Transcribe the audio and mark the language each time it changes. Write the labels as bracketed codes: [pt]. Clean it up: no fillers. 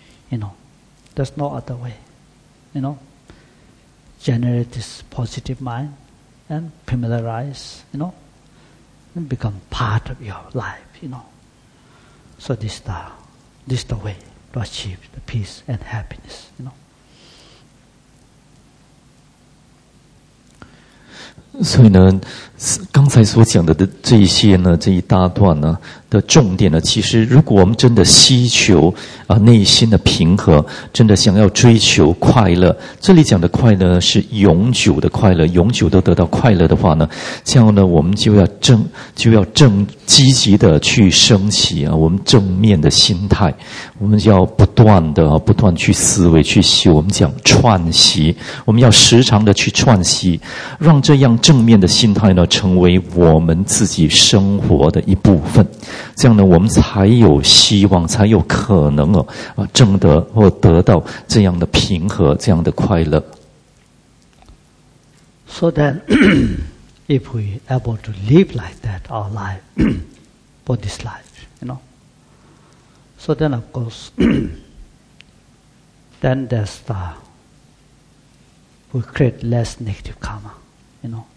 [en] You know, there's no other way. You know, generate this positive mind and familiarize, you know, and become part of your life, you know. So this is the way to achieve the peace and happiness, you know. [zh] 所以呢，刚才所讲的这一些呢，这一大段呢的重点呢，其实如果我们真的希求啊内心的平和，真的想要追求快乐，这里讲的快乐是永久的快乐，永久都得到快乐的话呢，这样呢，我们就要积极的去升起啊，我们正面的心态，我们就要不断去思维去修，我们讲串习，我们要时常的去串习，让这样正面的心态呢，成为我们自己生活的一部分。这样呢，我们才有希望，才有可能啊，挣得或得到这样的平和，这样的快乐。 [en] So then, if we able to live like that, our life, for this life, you know. So then, of course, then there's the we create less negative karma, you know.